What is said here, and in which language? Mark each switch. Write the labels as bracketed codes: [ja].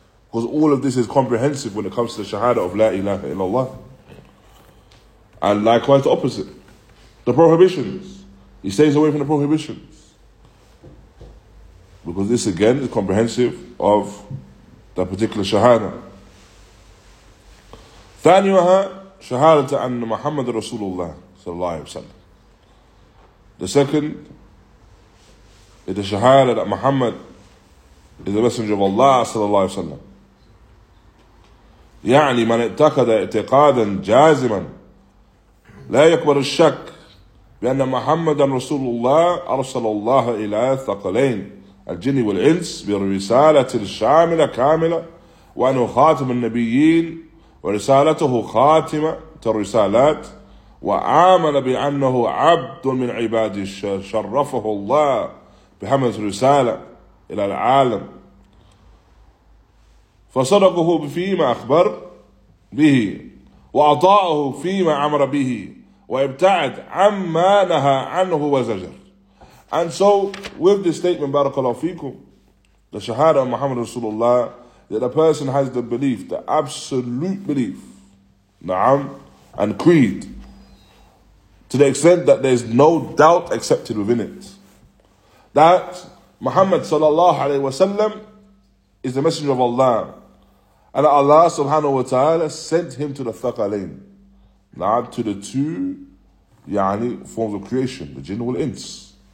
[en] Because all of this is comprehensive when it comes to the shahada of La ilaha illallah. And likewise the opposite, the prohibitions, he stays away from the prohibitions, because this again is comprehensive of that particular shahada. [ar] ثانيها شهادة أن محمد رسول الله صلى الله عليه وسلم. [en] The second is the shahada that Muhammad is the messenger of Allah صلى الله عليه وسلم. [ar] يعني من اتخذ اعتقادا جازما لا يكبر الشك بأن محمد رسول الله أرسل الله إلى ثقلين الجن والإنس برسالة شاملة كاملة وأنه خاتم النبيين ورسالته خاتمة الرسالات وآمن بأنه عبد من عباد شرفه الله بحمد الرسالة إلى العالم فصدقه فيما أخبر به وأطاعه فيما أمر به وَإِبْتَعَدْ عَمَّا نَهَا عَنْهُ وَزَجَرٍ. [en] And so, with this statement, [ar] بَارَكَ فيكم, [en] the shahada of Muhammad Rasulullah, that a person has the belief, the absolute belief, na'am, and creed, to the extent that there's no doubt accepted within it, that Muhammad sallallahu alayhi wa sallam is the messenger of Allah, and that Allah subhanahu wa ta'ala sent him to the thaqalain, not to the two yani forms of creation, the jinn and ins.